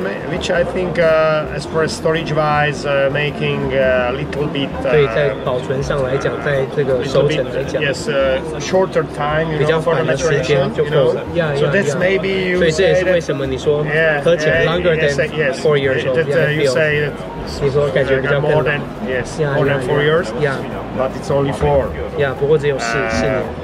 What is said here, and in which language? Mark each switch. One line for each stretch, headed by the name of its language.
English: which I think as far as storage wise, making a little bit
Chinese: 对，在保存上来讲，在这个收成来讲
English: yes, shorter time, you know, for the maturation
Chinese: 比较缓的时间就够了
English: so that's maybe you
Chinese: say 所以这也是为什么你说
English: yeah,
Chinese: 喝起来
English: longer than yes, 4 years old that, you say that more than 4 years yeah. but it's only 4
Chinese: yeah, 不过只有四年